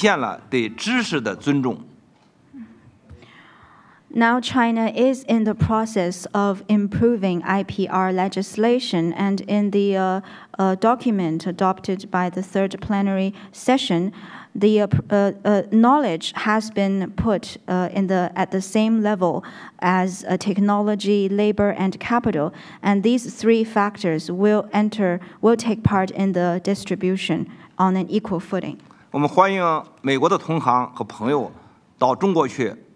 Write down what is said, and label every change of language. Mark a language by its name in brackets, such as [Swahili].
[Chinese] 也正在完善，三中全会决定特意把知识、同技术、劳动、资本等要素放在一起，列入参与分配的要素的行列之内，体现了对知识的尊重。 [English] Now China is in the process of improving IPR legislation, and in the document adopted by the third plenary session, the knowledge has been put at the same level as technology, labor, and capital, and these three factors will take part in the distribution on an equal footing. [Chinese] 我们欢迎美国的同行和朋友到中国去。